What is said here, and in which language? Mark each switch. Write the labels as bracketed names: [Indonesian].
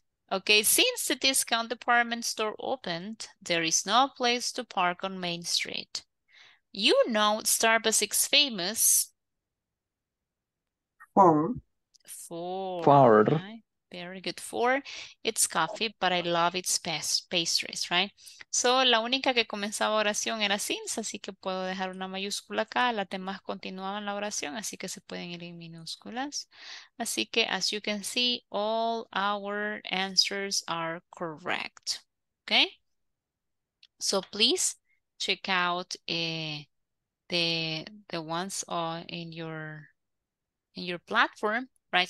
[English] Okay, since the discount department store opened, there is no place to park on Main Street. You know Starbucks is famous. For. Right? Very good. For its coffee, but I love its pastries, right? [Spanish] So, la única que comenzaba oración era since, así que puedo dejar una mayúscula acá. Las demás continuaban la oración, así que se pueden ir en minúsculas. Así que, [English] as you can see, all our answers are correct. Okay? So, please check out the ones in your platform, right?